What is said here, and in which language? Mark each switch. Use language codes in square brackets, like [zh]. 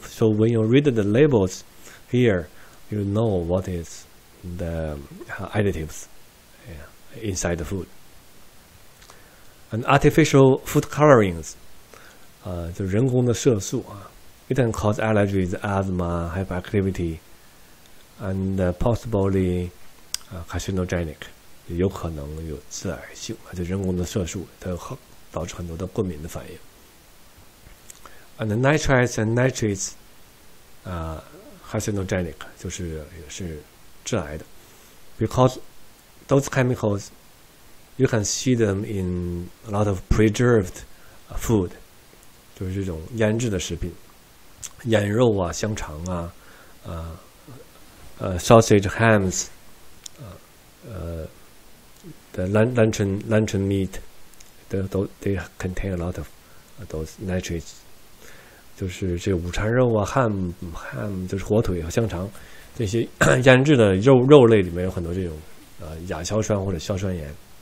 [en] So when you read the labels here, you know what is the additives inside the food. And artificial food colorings, [zh] 就人工的色素啊。 [en] It can cause allergies, asthma, hyperactivity, and possibly carcinogenic. [zh] 有可能有致癌性，而且人工的色素它导致很多的过敏的反应。 [en] And the nitrites and nitrates, carcinogenic [zh] 就是也是致癌的。 [en] Because those chemicals, you can see them in a lot of preserved food, [zh] 就是这种腌制的食品。腌肉啊，香肠啊， [en] sausage, hams, the luncheon meat, they contain a lot of those nitrates. [zh] 就是这午餐肉啊 ，ham 就是火腿和香肠，这些腌制的肉类里面有很多这种亚硝酸或者硝酸盐。